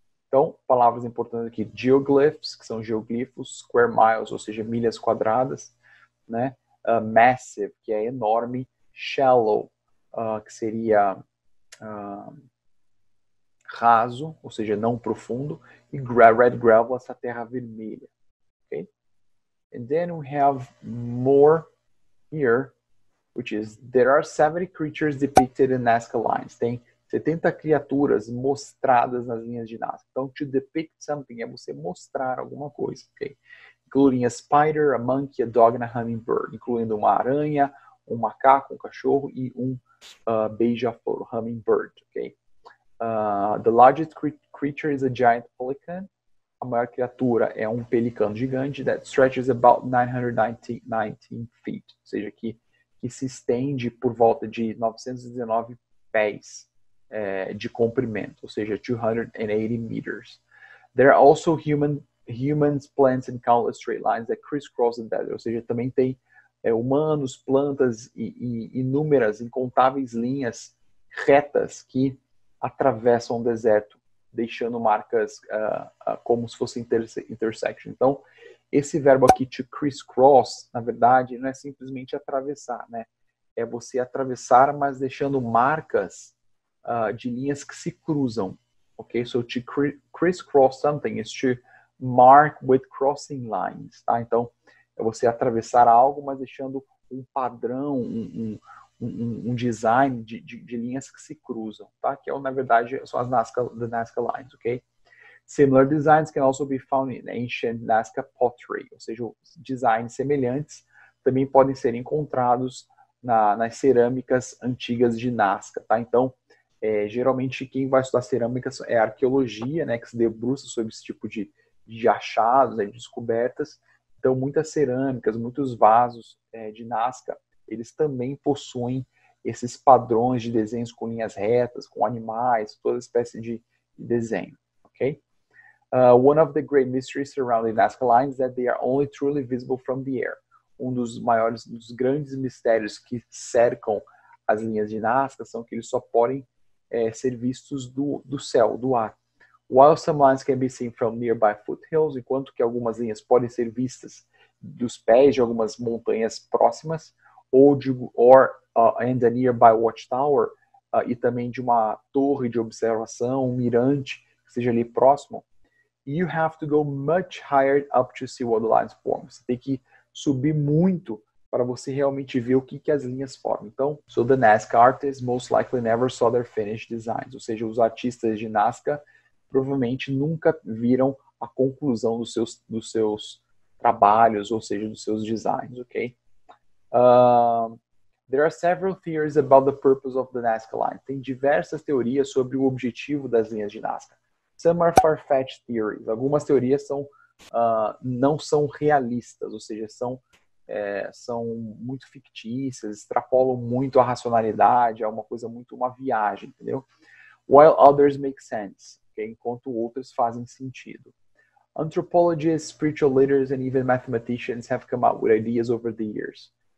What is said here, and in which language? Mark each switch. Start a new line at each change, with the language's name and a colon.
Portuguese: Então, palavras importantes aqui, geoglyphs, que são geoglifos, square miles, ou seja, milhas quadradas, né? Massive, que é enorme, shallow, que seria raso, ou seja, não profundo, e red gravel, essa terra vermelha. Okay?
English: And then we have more here, which is there are 70 creatures depicted in Nazca lines.
Portuguese: Tem 70 criaturas mostradas nas linhas de Nazca. Então,
English: to depict something
Portuguese: é você mostrar alguma coisa, ok?
English: Including a spider, a monkey, a dog, and a hummingbird.
Portuguese: Incluindo uma aranha, um macaco, um cachorro e um beija-flor, hummingbird, ok?
English: The largest creature is a giant pelican.
Portuguese: A maior criatura é um pelicano gigante
English: that stretches about 919 feet.
Portuguese: Ou seja, que se estende por volta de 919 pés. De comprimento, ou seja, 280 meters.
English: There are also humans, plants, and countless straight lines that crisscross the desert.
Portuguese: Ou seja, também tem humanos, plantas e inúmeras, incontáveis linhas retas que atravessam o deserto deixando marcas como se fosse intersection. Então, esse verbo aqui, to crisscross, na verdade, não é simplesmente atravessar, né? É você atravessar, mas deixando marcas de linhas que se cruzam. Ok?
English: So, to crisscross something is to mark with crossing lines.
Portuguese: Tá? Então, é você atravessar algo, mas deixando um padrão, um design de linhas que se cruzam, tá? Que é, na verdade, são as Nazca, the Nazca Lines, ok?
English: Similar designs can also be found in ancient Nazca pottery,
Portuguese: ou seja, designs semelhantes também podem ser encontrados nas cerâmicas antigas de Nazca, tá? Então, geralmente, quem vai estudar cerâmica é a arqueologia, né? Que se debruça sobre esse tipo de achados, né, de descobertas. Então, muitas cerâmicas, muitos vasos de Nazca, eles também possuem esses padrões de desenhos com linhas retas, com animais, toda espécie de desenho, ok?
English: One of the great mysteries surrounding Nazca lines is that they are only truly visible from the air.
Portuguese: Um dos maiores, dos grandes mistérios que cercam as linhas de Nazca são que eles só podem ser vistos do céu, do ar.
English: While some lines can be seen from nearby foothills,
Portuguese: enquanto que algumas linhas podem ser vistas dos pés de algumas montanhas próximas,
English: and a nearby watchtower,
Portuguese: e também de uma torre de observação, um mirante, que seja ali próximo,
English: you have to go much higher up to see what the lines form.
Portuguese: Você tem que subir muito para você realmente ver o que, que as linhas formam.
English: Então, so the Nazca artists most likely never saw their finished designs.
Portuguese: Ou seja, os artistas de Nazca provavelmente nunca viram a conclusão dos seus trabalhos, ou seja, dos seus designs, ok?
English: There are several theories about the purpose of the Nazca line.
Portuguese: Tem diversas teorias sobre o objetivo das linhas de Nazca.
English: Some are far-fetched theories.
Portuguese: Algumas teorias não são realistas, ou seja, são muito fictícias, extrapolam muito a racionalidade, é uma coisa muito uma viagem, entendeu?
English: While others make sense, okay?
Portuguese: Enquanto outras fazem sentido.
English: Anthropologists, spiritual leaders, and even mathematicians have come up with ideas over the years.